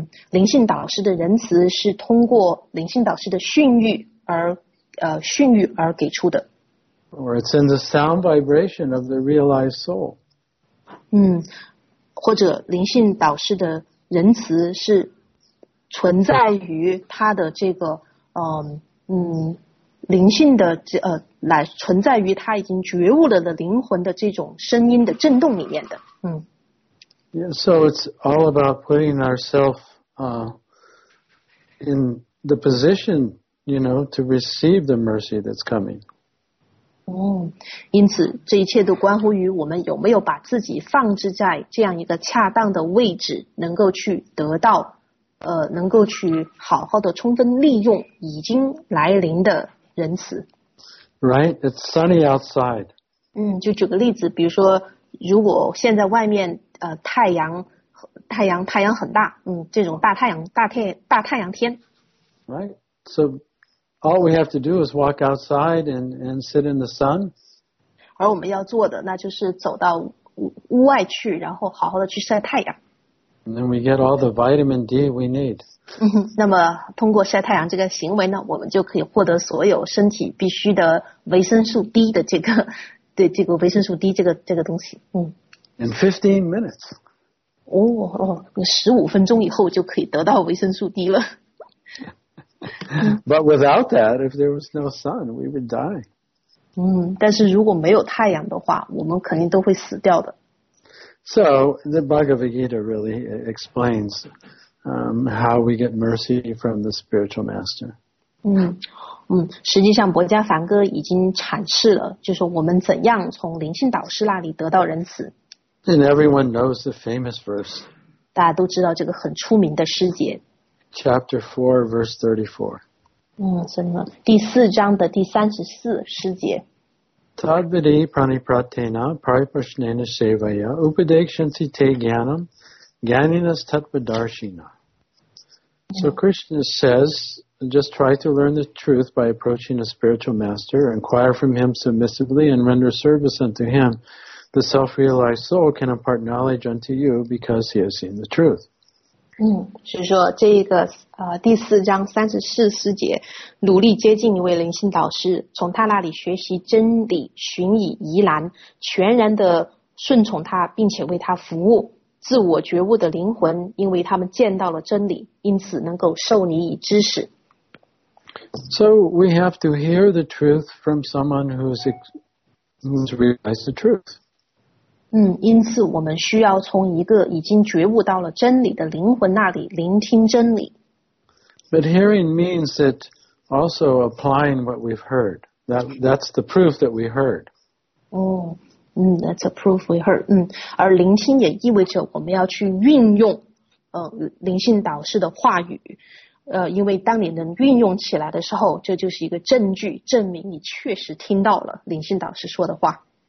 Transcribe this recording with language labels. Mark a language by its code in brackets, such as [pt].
[zh] 灵性导师的仁慈是通过灵性导师的训谕而训谕而给出的。 [en] Or it's in the sound vibration of the realized soul. [zh] 或者灵性导师的仁慈是存在于他的这个灵性的来存在于他已经觉悟了的灵魂的这种声音的震动里面的。 [en] Yeah, so it's all about putting ourselves in the position, you know, to receive the mercy that's coming. [zh] 因此这一切都关乎于我们有没有把自己放置在这样一个恰当的位置，能够去得到能够去好好的充分利用已经来临的仁慈。 [en] Right, it's sunny outside. [zh] 就举个例子，比如说如果现在外面太阳很大，这种大太阳天。 [en] Right, soAll we have to do is walk outside and sit in the sun. [zh] 而我们要做的那就是走到屋外去，然后好好的去晒太阳。 [en] And then we get all the vitamin D we need. [zh] 那么通过晒太阳这个行为呢，我们就可以获得所有身体必须的维生素 D 的这个，对，这个维生素 D 这个东西。 [en] In 15 minutes. [zh] 15分钟以后就可以得到维生素 D 了。 [en] But without that, if there was no sun, we would die. [zh] 但是如果没有太阳的话，我们肯定都会死掉的。 [en] So the Bhagavad Gita really explains how we get mercy from the spiritual master. [zh] 实际上博迦梵歌已经阐释了，就是我们怎样从灵性导师那里得到仁慈。 [en] And everyone knows the famous verse. [zh] 大家都知道这个很出名的诗节。 [en] Chapter 4, verse 34. [zh] 什么？第四章的第34诗节。 [sa] Tadvidi pranipratena paripashnena sevaya upadekshanti te jnanam jnaninas tatvadarshina. [en] So Krishna says, just try to learn the truth by approaching a spiritual master, inquire from him submissively, and render service unto him. The self-realized soul can impart knowledge unto you because he has seen the truth. [zh] 是说这个第四章三十四四节，努力接近一位灵性导师，从他那里学习真理，寻以宜然，全然的顺从他，并且为他服务。自我觉悟的灵魂，因为他们见到了真理，因此能够受你以知识。 [en] So we have to hear the truth from someone who's realized the truth. [zh] 因此我们需要从一个已经觉悟到了真理的灵魂那里聆听真理。 [en] But hearing means that also applying what we've heard. That's the proof that we heard. That's a proof we heard. [zh] 而聆听也意味着我们要去运用灵性导师的话语。因为当你能运用起来的时候，这就是一个证据，证明你确实听到了灵性导师说的话。